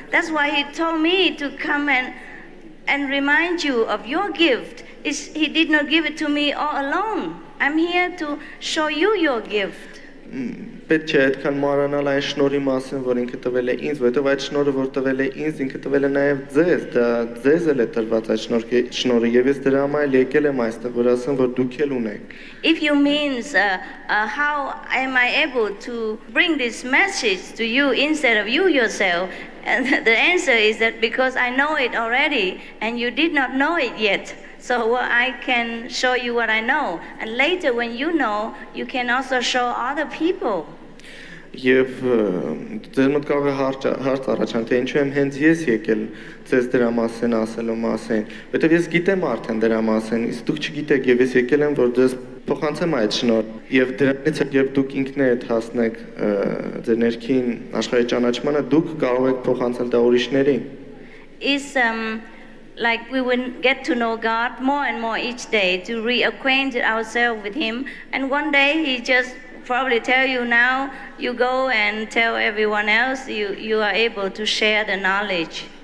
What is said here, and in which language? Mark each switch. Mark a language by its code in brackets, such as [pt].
[en] That's why he told me to come and remind you of your gift. He did not give it to me all alone. I'm here to show you your gift. [hy] Պետք է այդքան մոռանալ այն շնորհի մասին, որ ինքը տվել է ինձ, որովհետև այդ շնորհը, որ տվել է ինձ, ինքը տվել է նաև ձեզ, դա ձեզ էլ է տրված այդ շնորհը, եւ ես դրա համար եմ եկել այստեղ, որ ասեմ, որ դուք էլ ունեք։ [en] If you means how am I able to bring this message to you instead of you yourself, and the answer is that because I know it already and you did not know it yet. So well, I can show you what I know, and later when you know, you can also show other people. [hy] Եվ դեր մտ կարող է հարց առաջան, թե ինչու եմ հենց ես եկել ձեզ դրա մասին ասելու մասին, որովհետև ես գիտեմ արդեն դրա մասին, իսկ դուք չգիտեք, եւ ես եկել եմ, որ ձեզ փոխանցեմ այդ շնորհ, եւ դրանից հետո, երբ դուք ինքներդ հասնեք ձեր ներքին աշխարհի ճանաչմանը, դուք կարող եք փոխանցել դա ուրիշներին։ [en] Is like we will get to know God more and more each day, to reacquaint ourselves with him, and one day he just probably tell you, now you go and tell everyone else, you are able to share the knowledge.